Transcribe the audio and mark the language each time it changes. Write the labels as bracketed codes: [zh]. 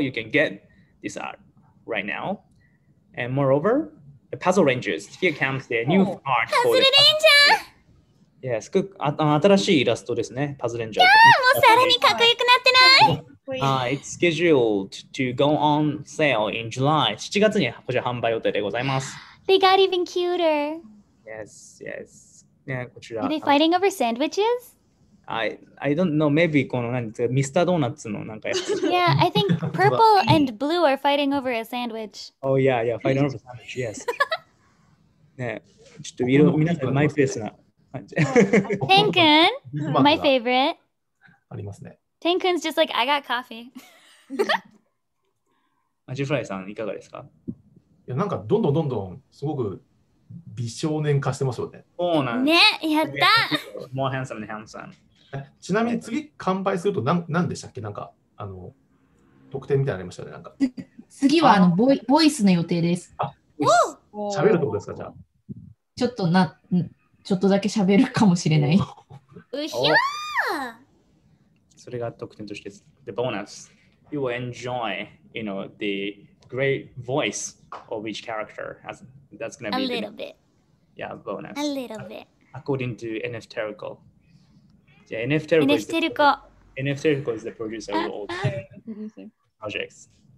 [en] You can get this art right now. And moreover, the Puzzle Rangers, here comes their new art. Puzzle Ranger! Yes, good. New illustration, Puzzle Ranger. Yeah, Puzzle Ranger. It's scheduled to go on sale in July. [ja] 7月にこちら販売予定でございます。 [en] They got even cuter. Yes. Yeah, こちら。 Are they fighting over sandwiches? I don't know. Maybe [ja] この何ですか、ミスタードーナツのなんかやつ。 [en] Yeah, I think purple and blue are fighting over a sandwich. Oh yeah, fighting over a sandwich. Yes. [ja] ね、ちょっと色、皆さんマイペースな感じ。 [en] 天君、my favorite. [ja] ありますね。 [en] Tenkun's just like, I got coffee. [ja] Ajifry-san, いかがですか？いや、なんかどんどんどんどんすごく美少年化してますよね。そうなんね、やった [en] More handsome than handsome. [ja] ちなみに次乾杯すると何でしたっけ？なんか、あの、特典みたいなのありましたね。なんか次はあのボイスの予定です。あ、喋るってことですか？じゃあ。ちょっとだけ喋るかもしれない。うひゃーそれが特典としてで、ボーナス。 [en] You will enjoy, you know, the great voice of each character. That's gonna be a little bit. Yeah, bonus. A little bit. According to NF Terrico. Yeah, NF Terrico. NF Terrico is the producer of all projects.